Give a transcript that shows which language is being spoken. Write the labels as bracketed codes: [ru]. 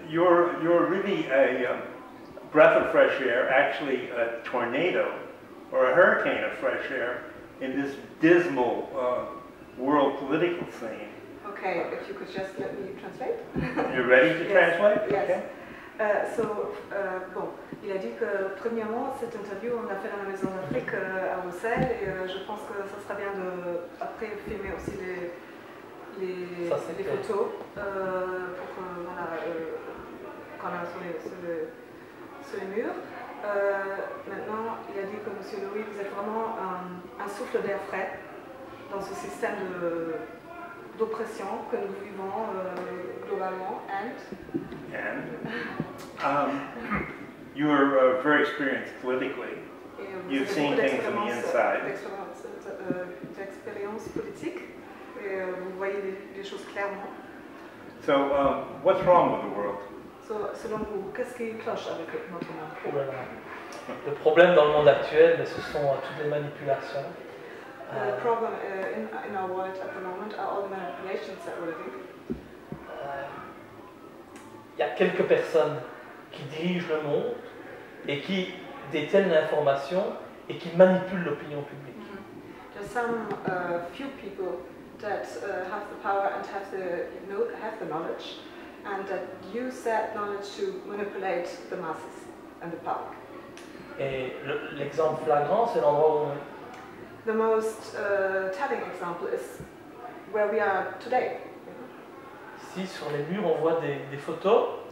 [en] You're really a breath of fresh air, actually a tornado or a hurricane of fresh air in this dismal world political scene. Okay, if you could just let me translate. You're ready to translate? Yes. Okay. [fr] Il a dit que premièrement cette interview on l'a fait dans la maison d'Afrique à Bruxelles et je pense que ça sera bien de après filmer aussi les photos pour que voilà quand on a sur les murs. Maintenant, il a dit que Monsieur Louis, vous êtes vraiment un souffle d'air frais dans ce système d'oppression que nous vivons globalement. [en] And you're very experienced politically. You've seen things from the inside. [fr] D'expérience politique, et vous voyez les choses clairement. [en] So, what's wrong with the world? [fr] Selon vous, qu'est-ce qui cloche avec notre monde? Le problème dans le monde actuel, ce sont toutes les manipulations. Le problème [en] in our world at the moment are all the manipulations that we're living. [fr] Il y a quelques personnes qui dirigent le monde et qui détiennent l'information et qui manipulent l'opinion publique. [en] There are some few people that have the power and have the knowledge. And that you set knowledge to manipulate the masses and the public. [fr] Et l'exemple flagrant, c'est l'endroit où. [en] The most telling example is where we are today. [fr] Si sur les murs on voit des photos.